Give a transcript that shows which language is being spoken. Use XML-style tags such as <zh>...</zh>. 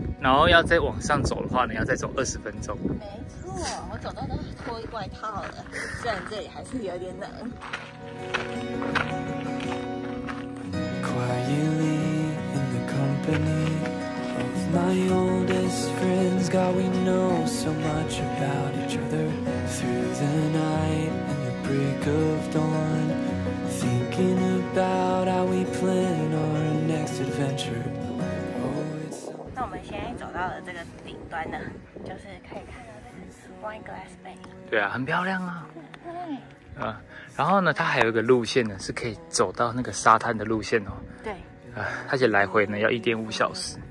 <zh>然后要再往上走的话呢，要再走20分钟。没错，我走到都脱外套了，虽然这里还是有点冷。</zh> <en>Quietly in the company of my oldest friends, God, we know so much about each other through the night and the break of dawn. About how we plan our next adventure. Oh, it's so...</en> <zh>那我们现在走到了这个顶端呢，就是可以看到这个 Wine Glass Bay。对啊，很漂亮啊。然后呢，它还有一个路线呢，是可以走到那个沙滩的路线哦。对。而且来回呢要1.5小时。</zh>